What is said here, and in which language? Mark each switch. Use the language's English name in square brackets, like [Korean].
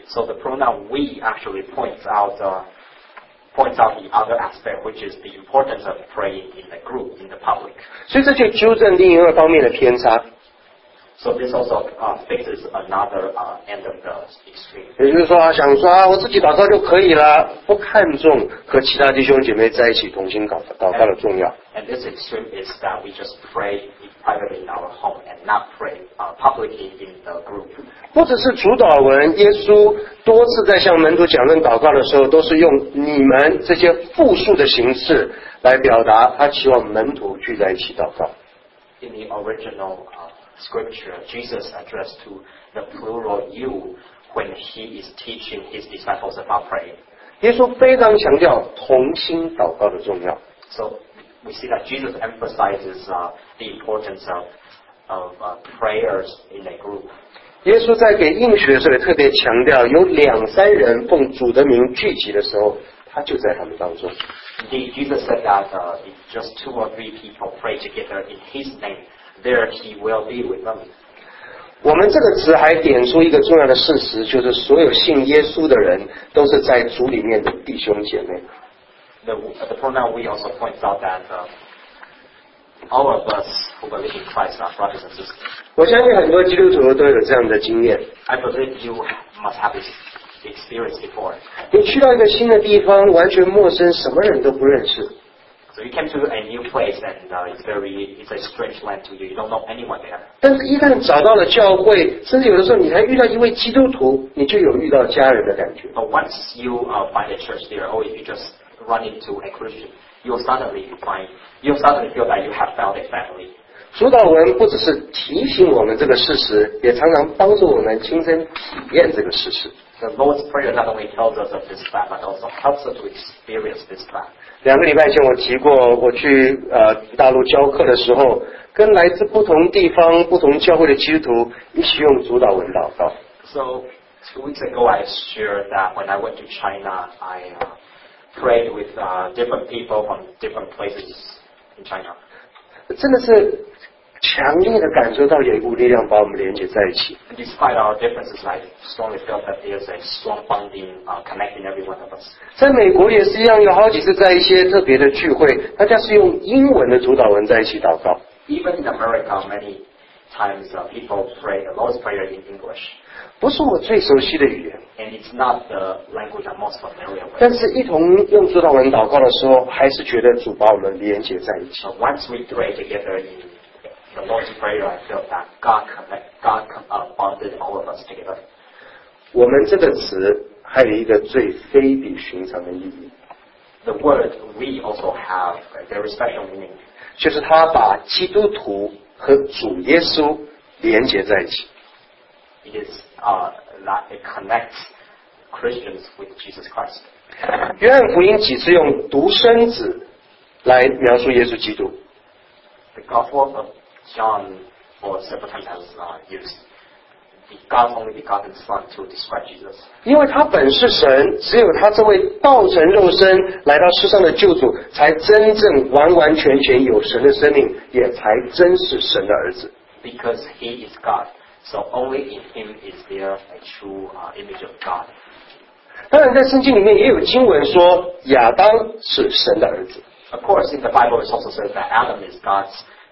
[English] So the pronoun we actually points out the other aspect, which is the importance of praying in the group, in the public. [Chinese] 所以这就纠正另一个方面的偏差。 [English] So this also fixes another end of the extreme. [Chinese] 也就是说啊，想说啊，我自己祷告就可以了，不看重和其他弟兄姐妹在一起同心祷告的重要。 [English] And this extreme is that we just pray privately in our home and not pray publicly in the group. [Chinese] 不只是主导文，耶稣多次在向门徒讲论祷告的时候，都是用你们这些复数的形式来表达他希望门徒聚在一起祷告。 [English] In the original Scripture, Jesus addressed to the plural you when he is teaching his disciples about praying. [Chinese] 耶稣非常强调同心祷告的重要。 [English] So we see that Jesus emphasizes the importance of prayers in a group. [Chinese] 耶稣在给应许的时候特别强调，有两三人奉主的名聚集的时候，他就在他们当中。 [English] Indeed, Jesus said that if just two or three people pray together in his name. There he will be with them. [Chinese] 我们这个词还点出一个重要的事实，就是所有信耶稣的人都是在主里面的弟兄姐妹。 [English] The pronoun we also points out that all of us who believe in Christ are brothers and sisters. [Chinese] 我相信很多基督徒都有这样的经验。 [English] I believe you must have this experience before. [Chinese] 你去到一个新的地方，完全陌生，什么人都不认识。 [English] So you came to a new place and it's a strange land to you. You don't know anyone there. [Chinese] 但是一旦找到了教会，甚至有的时候你还遇到一位基督徒，你就有遇到家人的感觉。 [English] But once you find a church there, or if you just run into a Christian, you'll suddenly feel that you have found a family. [Chinese] 主导文不只是提醒我们这个事实，也常常帮助我们亲身体验这个事实。 [English] The Lord's Prayer not only tells us of this fact, but also helps us to experience this fact. [Chinese] 两个礼拜前我提过，我去大陆教课的时候，跟来自不同地方、不同教会的基督徒一起用主导文祷告。 [English] So 2 weeks ago, I shared that when I went to China, I prayed with different people from different places in China. [Chinese] 真的是强烈的感受到有一股力量把我们连接在一起。 [English] Despite our differences, I strongly felt that there's a strong bonding connecting every one of us. [Chinese] 在美国也是一样，有好几次在一些特别的聚会，大家是用英文的主导文在一起祷告。 [English] Even in America, many times people pray the Lord's Prayer in English. [Chinese] 不是我最熟悉的语言。 [English] And it's not the language I'm most familiar with. [Chinese] 但是一同用主导文祷告的时候，还是觉得主把我们连接在一起。 [English] Once we pray together in The Lord's Prayer, I felt that God bonded all of us together. [Chinese] 我们这个词还有一个最非比寻常的意义。 [English] The word we also have a very special meaning. [Chinese] 就是它把基督徒和主耶稣连接在一起。 [English] It is that it connects Christians with Jesus Christ. [Chinese] 约翰福音几次用独生子来描述耶稣基督。 [English] The Gospel of John for several times has used the God's only begotten Son to describe Jesus. [Chinese] 因为他本是神，只有他这位道成肉身来到世上的救主，才真正完完全全有神的生命，也才真是神的儿子。 [English] Because he is God, so only in him is there a true image of God. [Chinese] 当然，在圣经里面也有经文说亚当是神的儿子。 [English] Of course, in the Bible, it also says that Adam is God's.